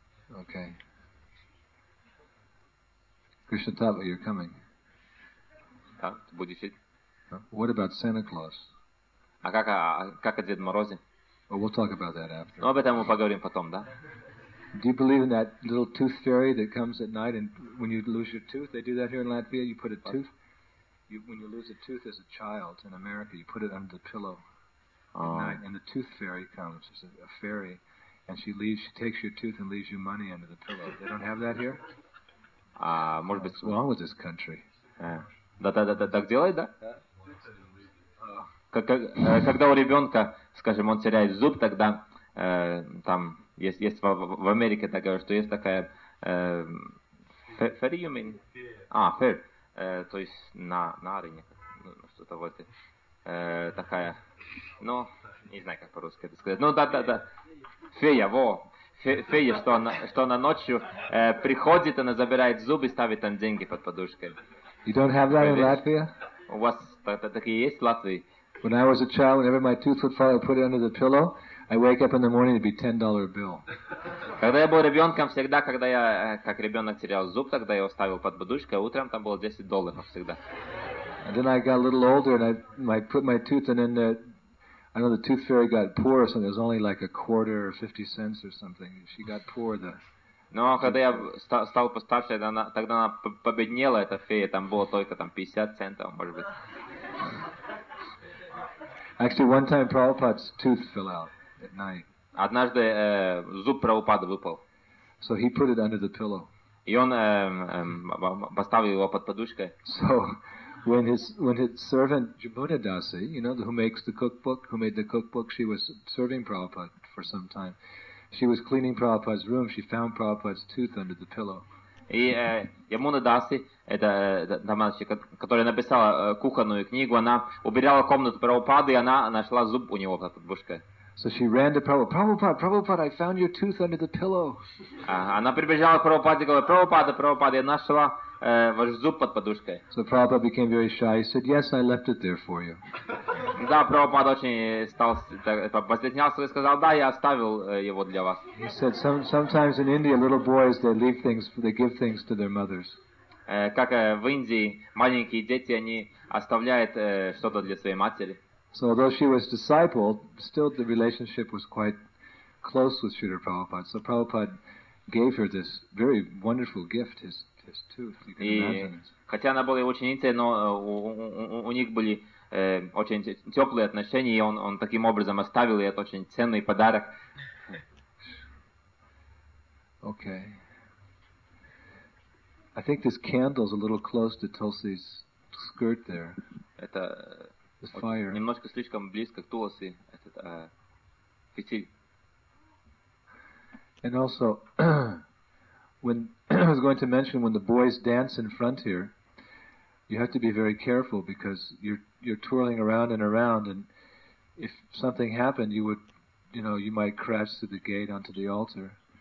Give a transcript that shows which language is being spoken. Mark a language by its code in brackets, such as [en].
[en] Okay. Krishna Tattva, you're coming. [ru] Да, ты будешь идти. [en] What about Santa Claus? [ru] А как о Деде Морозе? [en] Well, we'll talk about that after. [ru] Ну, об этом мы поговорим потом, да? [en] Do you believe in that little tooth fairy that comes at night and when you lose your tooth? They do that here in Latvia. You put a tooth. You, when you lose a tooth as a child in America, you put it under the pillow at night, and the tooth fairy comes. It's a fairy, and she leaves. She takes your tooth and leaves you money under the pillow. They don't have that here. [ru] Может быть. [en] What's wrong with this country? [ru] Да. Так делает, да? Когда у ребенка, скажем, он теряет зуб, тогда там есть в Америке такая, что есть такая [en] fairy, you mean? Fair. [ru] То есть на арене, что-то вот такая. Ну, не знаю, как по-русски это сказать. Ну да. Фея, во. Фея, что она ночью приходит, она забирает зубы и ставит там деньги под подушкой. [en] You don't have that in Latvia? [ru] У вас такие есть в Латвии? [en] When I was a child, whenever my tooth would fall, I put it under the pillow. I wake up in the morning, it'd be $10 bill. [ru] Когда я был ребенком, всегда, когда я как ребенок терял зуб, тогда я его ставил под подушкой. Утром там было $10 всегда. [en] And then I got a little older, and I put my tooth, and then I know the tooth fairy got poor, so there's only like a quarter or 50 cents or something. She got poor. [ru] Но когда я стал постарше, тогда она победнела, эта фея, там было только там 50 центов, может быть. [en] Actually, one time Prabhupada's tooth fell out at night. [ru] Однажды зуб Прабхупады выпал. [en] So he put it under the pillow. [ru] И он поставил его под подушкой. [en] So when his servant Jabodadasi, you know, who made the cookbook, she was serving Prabhupada for some time. She was cleaning Prabhupada's room. She found Prabhupada's tooth under the pillow. [ru] И Ямунадаси, это домашняя, которая написала кухонную книгу, она убирала комнату Прабхупады, и она нашла зуб у него под подушкой. [en] So she ran to Prabhupada. Prabhupada, I found your tooth under the pillow. [ru] Она прибежала к Прабхупаде и говорила: Прабхупада, я нашла ваш зуб под подушкой. [en] So Prabhupada became very shy. He said, yes, I left it there for you. [ru] Да, Прабхупада очень стал постеснялся и сказал: да, я оставил его для вас. [en] He said, sometimes in India, little boys, they leave things, they give things to their mothers. [ru] Как в Индии, маленькие дети, они оставляют что-то для своей матери. [en] So although she was discipled, still the relationship was quite close with Śrīla Prabhupāda. So Prabhupāda gave her this very wonderful gift, his tooth. You can imagine. [ru] Хотя она была ученицей, но у них были очень теплые отношения, и он таким образом оставил ей этот очень ценный подарок. [en] Okay. I think this candle is a little close to Tulsi's skirt there. [ru] Это немножко слишком близко к Туласи этот фитиль. [en] And also, when I was going to mention when the boys dance in front here, you have to be very careful because you're twirling around and around, and if something happened, you might crash through the gate onto the altar.